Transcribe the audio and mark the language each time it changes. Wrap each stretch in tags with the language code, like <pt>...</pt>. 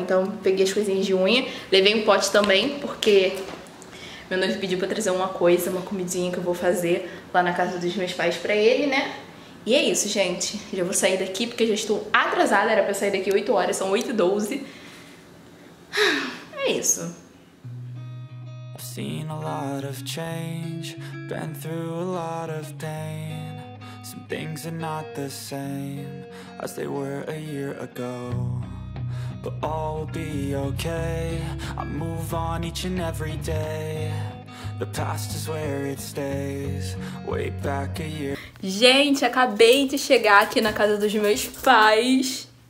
<pt>Então peguei as coisinhas de unha. Levei um pote também, porque meu noivo pediu pra trazer uma coisa, uma comidinha que eu vou fazer lá na casa dos meus pais pra ele, né? E é isso, gente. Já vou sair daqui porque já estou atrasada. Era pra sair daqui 8 horas, são 8h12. É isso.</pt> <en>Seen a lot of change, been through a lot of pain. Some things are not the same as they were a year ago. But all will be okay. I move on each and every day. The past is where it stays, way back a year.</en> <pt>Gente, acabei de chegar aqui na casa dos meus pais.</pt>